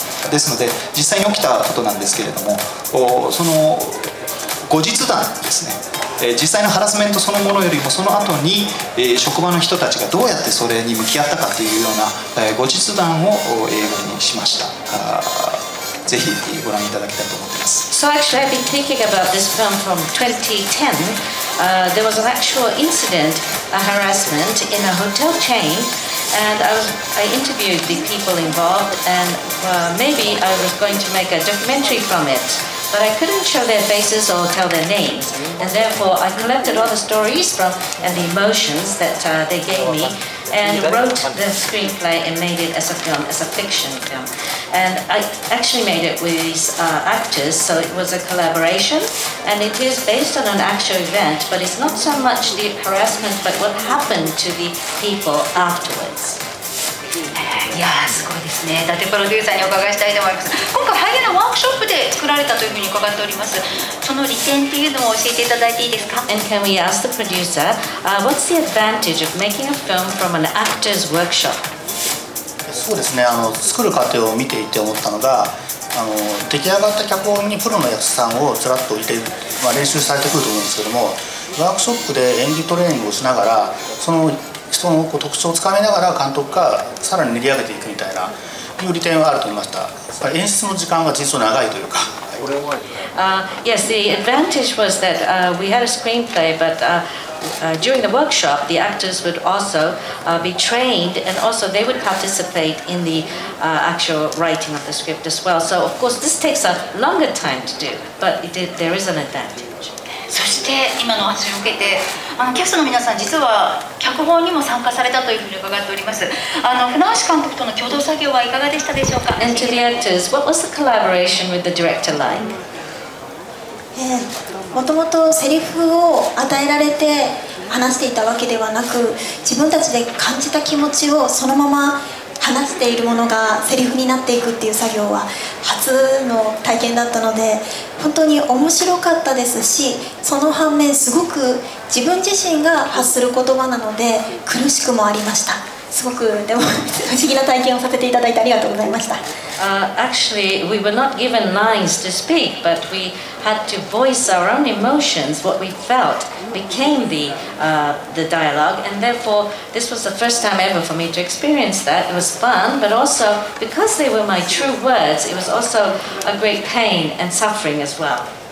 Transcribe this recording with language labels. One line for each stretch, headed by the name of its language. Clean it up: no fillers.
Japanese: ですので実際に起きたことなんですけれども、その後日談ですね、実際のハラスメントそのものよりもその後に、職場の人たちがどうやってそれに向き合ったかというような、後日談を映画にしました。ぜひご覧いただきたいと思っています。
English: So actually I've been thinking about this film from 2010、there was an actual incident, a harassment in a hotel chain, and I interviewed the people involved, and maybe I was going to make a documentary from it, but I couldn't show their faces or tell their names, and therefore I collected all the stories from and the emotions that they gave me and wrote the screenplay and made it as a film, as a fiction film. And I actually made it with actors, so it was a collaboration. And it is based on an actual event, but it's not so much the harassment, but what happened to the people afterwards.
Japanese: いやーすごいですね。伊達プロデューサーにお伺いしたいと思います。今回俳優のワークショップで作られたというふうに伺っております。その利点っていうのを教えていただいていいですか。
English: And can we ask the producer、what's the advantage of making a film from an actor's workshop?
Japanese: そうですね、作る過程を見ていて思ったのが、出来上がった脚本にプロの役者さんをずらっと置いて、練習されてくると思うんですけども、ワークショップで演技トレーニングをしながら、その人の特徴をつかめながら監督がさらに練り上げていくみたいな、いう利点はあると思いました。やっぱり演出の時間が実は長いというか。
English: Yes, the advantage was that、we had a screenplay, but、during the workshop, the actors would also、be trained, and also they would participate in the、actual writing of the script as well. So, of course, this takes a longer time to do, but it, there is an advantage.
Japanese: そして今の話を受けて、キャストの皆さん実は脚本にも参加されたというふうに伺っております。船橋監督との共同作業はいかがでしたでしょうか。
English: And to the actors, what was the collaboration with the director like?
Japanese: もともとセリフを与えられて話していたわけではなく、自分たちで感じた気持ちをそのまま話しているものがセリフになっていくっていう作業は初の体験だったので、本当に面白かったですし、その反面すごく自分自身が発する言葉なので苦しくもありました。すごくでも不思議な体験をさせていただいてありがとうございました。
English: Actually, we were not given lines to speak, but we had to voice our own emotions, what we felt became the dialogue, and therefore this was the first time ever for me to experience that. It was fun, but also because they were my true words, it was also a great pain and suffering as well.